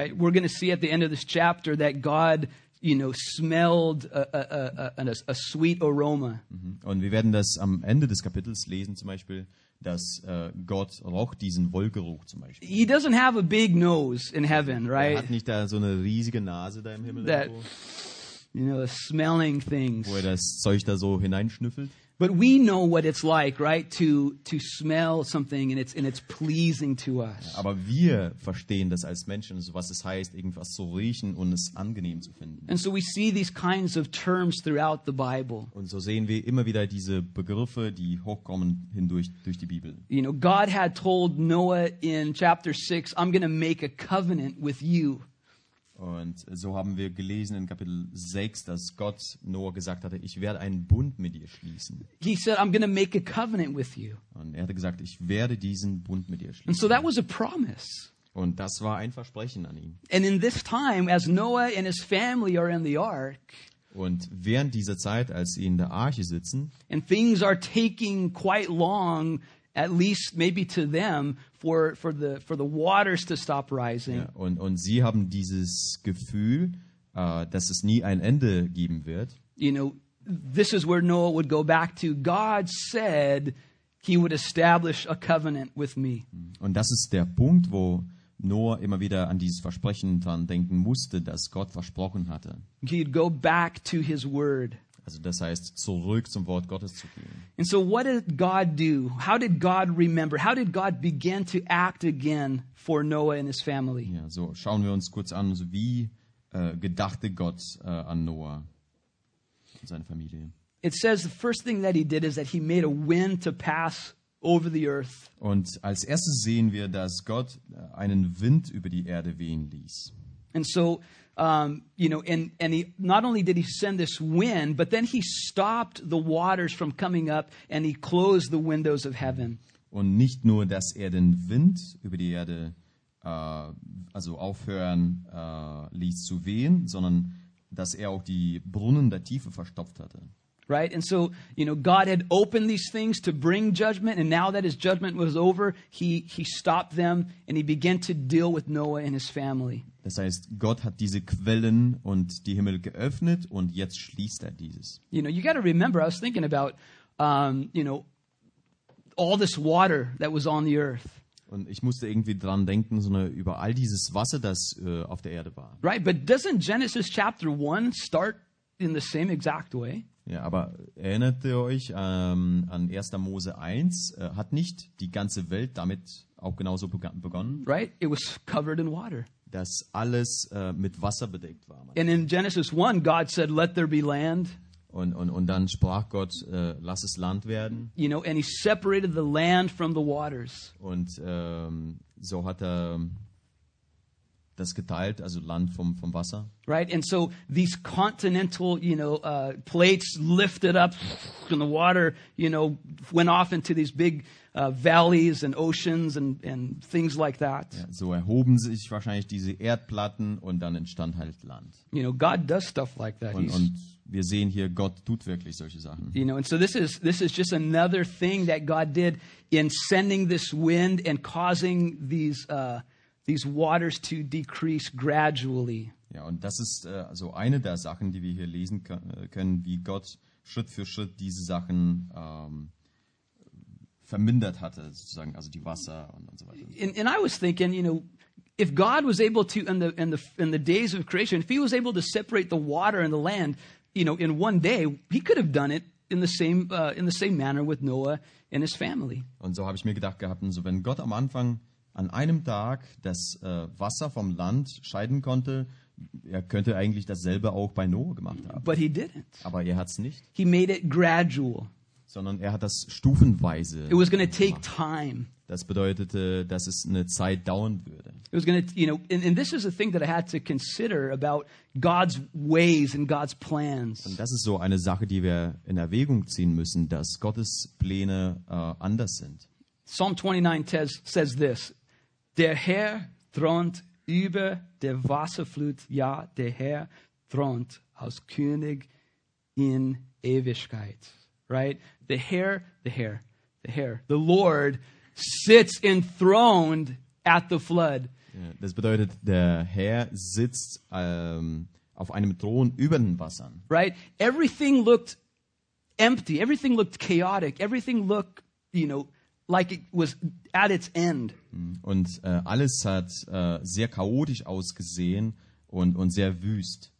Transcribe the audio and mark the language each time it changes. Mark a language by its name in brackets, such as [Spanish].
[English] Right, we're going to see at the end of this chapter that God, you know, smelled a sweet aroma. [German] Und wir werden das am Ende des Kapitels lesen, zum Beispiel, dass Gott roch diesen Wohlgeruch zum Beispiel. [English] He doesn't have a big nose in heaven, right? [German] Er hat nicht da so eine riesige Nase da im Himmel. [English] That, you know, smelling things. [German] Wo er das Zeug da so hineinschnüffelt. [English] But we know what it's like, right, to smell something and it's pleasing to us. [German] Aber wir verstehen das als Menschen, was es heißt, irgendwas zu riechen und es angenehm zu finden. [English] And so we see these kinds of terms throughout the Bible. [German] Und so sehen wir immer wieder diese Begriffe, die hochkommen hindurch durch die Bibel. [English] You know, God had told Noah in chapter 6, I'm going to make a covenant with you. [German] Und so haben wir gelesen in Kapitel 6, dass Gott Noah gesagt hatte, ich werde einen Bund mit dir schließen. [English] He said, I'm going to make a covenant with you. [German] Und er hatte gesagt, ich werde diesen Bund mit dir schließen. [English] And so that was a promise. [German] Und das war ein Versprechen an ihn. [English] And in this time, as Noah and his family are in the ark, [German] und während dieser Zeit, als sie in der Arche sitzen, [English] and things are taking quite long, at least maybe to them, for the waters to stop rising. [German] Ja, und sie haben dieses Gefühl, dass es nie ein Ende geben wird. [English] You know, this is where Noah would go back to. God said he would establish a covenant with me. [German] Und das ist der Punkt, wo Noah immer wieder an dieses Versprechen dran denken musste, das Gott versprochen hatte. [English] He'd go back to his word. [German] Also das heißt, zurück zum Wort Gottes zu gehen. [English] And so what did God do? How did God remember? How did God begin to act again for Noah and his family? [German] Ja, so schauen wir uns kurz an, also wie gedachte Gott an Noah und seine Familie. [English] It says the first thing that he did is that he made a wind to pass over the earth. [German] Und als erstes sehen wir, dass Gott einen Wind über die Erde wehen ließ. [English] And so you know, and he, not only did he send this wind, but then he stopped the waters from coming up and he closed the windows of heaven. [German] Und nicht nur, dass er den Wind über die Erde also aufhören ließ zu wehen, sondern dass er auch die Brunnen der Tiefe verstopft hatte. [English] Right? And so, you know, God had opened these things to bring judgment, and now that his judgment was over, he stopped them and he began to deal with Noah and his family. [German] Das heißt, Gott hat diese Quellen und die Himmel geöffnet und jetzt schließt er dieses. [English] You know, you got to remember, I was thinking about, you know, all this water that was on the earth. [German] Und ich musste irgendwie dran denken, so eine, über all dieses Wasser, das auf der Erde war. [English] Right, but doesn't Genesis chapter 1 start in the same exact way? [German] Ja, aber erinnert ihr euch an 1. Mose 1? Hat nicht die ganze Welt damit auch genauso begonnen? [English] Right, it was covered in water. [German] Dass alles mit Wasser bedeckt war. [English] And in Genesis 1, God said, let there be land. [German] Und dann sprach Gott, lass es Land werden. [English] You know, and he separated the land from the waters. [German] Und so hat er das geteilt, also Land vom Wasser. [English] Right, and so these continental, you know, plates lifted up and the water, you know, went off into these big valleys and oceans and things like that. [German] Ja, so erhoben sich wahrscheinlich diese Erdplatten und dann entstand halt Land. [English] You know, God does stuff like that. [German] Und wir sehen hier, Gott tut wirklich solche Sachen. [English] You know, and so this is just another thing that God did in sending this wind and causing these waters to decrease gradually. [German] Ja, und das ist so eine der Sachen, die wir hier lesen können, wie Gott Schritt für Schritt diese Sachen vermindert hatte, sozusagen, also die Wasser und so weiter. [English] And I was thinking, you know, if God was able to in the days of creation, if he was able to separate the water and the land, you know, in one day, he could have done it in the same manner with Noah and his family. [German] Und so habe ich mir gedacht gehabt, und so wenn Gott am Anfang an einem Tag das Wasser vom Land scheiden konnte, er könnte eigentlich dasselbe auch bei Noah gemacht haben. [English] But he didn't. [German] Aber er hat es nicht. [English] He made it gradual. [German] sondern er hat das stufenweise [English] it was gonna take time. [German] Gemacht. Das bedeutete, dass es eine Zeit dauern würde. [English] It was gonna, you know, and this is the thing that I had to consider about God's ways and God's plans. [German] Und das ist so eine Sache, die wir in Erwägung ziehen müssen, dass Gottes Pläne anders sind. [English] Psalm 29 says this: [German] Der Herr thront über der Wasserflut, ja, der Herr thront als König in Ewigkeit. [English] Right? The Herr, the Lord sits enthroned at the flood. [German] Das bedeutet, der Herr sitzt auf einem Thron über den Wassern. [English] Right? Everything looked empty. Everything looked chaotic. Everything looked, you know, like it was at its end. [German] Und alles hat sehr chaotisch ausgesehen und sehr wüst.